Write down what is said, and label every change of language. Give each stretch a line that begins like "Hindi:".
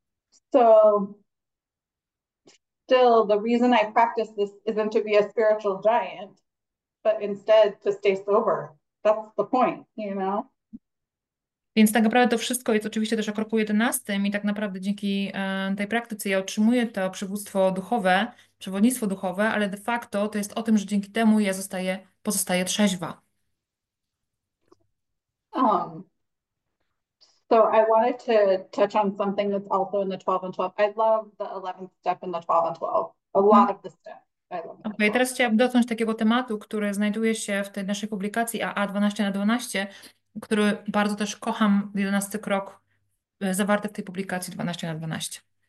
English: So, still, the reason I practice this isn't to be a spiritual giant, but instead to stay sober. That's the point, you know?
Polish: Więc tak naprawdę to wszystko jest oczywiście też o kroku 11 i tak naprawdę dzięki tej praktyce ja otrzymuję to przywództwo duchowe, przewodnictwo duchowe, ale de facto to jest o tym, że dzięki temu ja pozostaję trzeźwa.
English: So I wanted to touch on something that's also in the 12 and 12. I love the 11th step in the 12 and 12. A lot of the steps I love in the Okay, 12.
Polish: teraz chciałabym dotknąć takiego tematu, który znajduje się w tej naszej publikacji AA 12 na 12, który bardzo też kocham, 11 krok zawarty w tej publikacji 12 na 12.